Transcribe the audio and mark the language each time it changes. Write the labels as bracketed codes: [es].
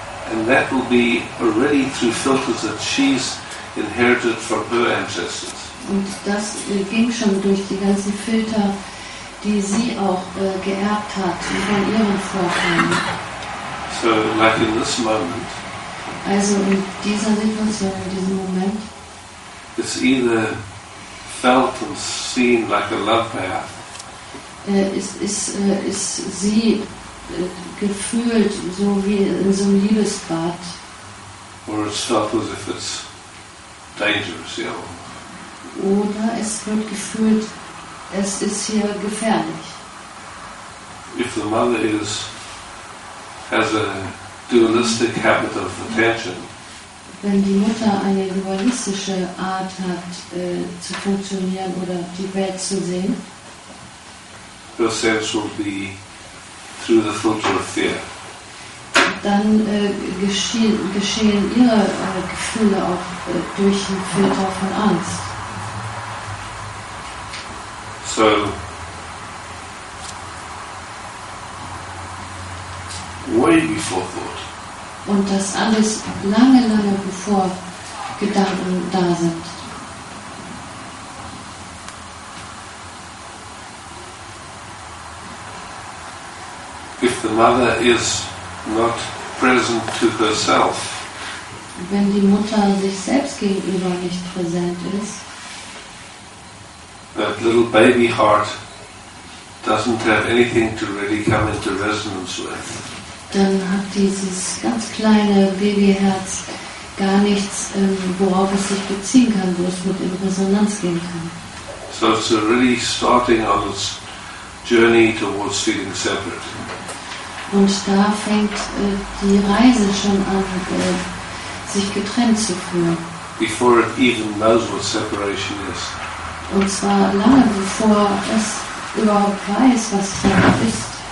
[en] And that will be already through filters that she's inherited from her ancestors. [de] Und das ging schon durch die ganzen Filter, die sie auch geerbt hat von ihren Vorfahren. [en] So, like in this moment. [de] Also in dieser Situation, in diesem Moment. [en] It's either felt and seen like a love path. [de] Ist sie gefühlt so wie in so einem Liebesbad. [en] Or it's felt as if it's dangerous, yeah. [de] Oder es wird gefühlt, es ist hier gefährlich. [en] If the mother is, has a dualistic habit of attention. [de] Wenn die Mutter eine dualistische Art hat, zu funktionieren oder die Welt zu sehen, [en] her sense will be through the filter of fear. [de] dann geschehen ihre Gefühle auch durch den Filter von Angst. [en] So, way before thought. [de] Und das alles lange, lange bevor Gedanken da sind. [en] If the mother is not present to herself, [de] wenn die Mutter sich selbst gegenüber nicht präsent ist, [en] that little baby heart doesn't have anything to really come into resonance with. [de] Dann hat dieses ganz kleine Babyherz gar nichts, worauf es sich beziehen kann, wo es mit in Resonanz gehen kann. [en] So it's really starting on its journey towards feeling separate. [de] Und da fängt die Reise schon an, sich getrennt zu fühlen. [en] Before it even knows what separation is. [de] Und zwar lange bevor es überhaupt weiß, was hier ist.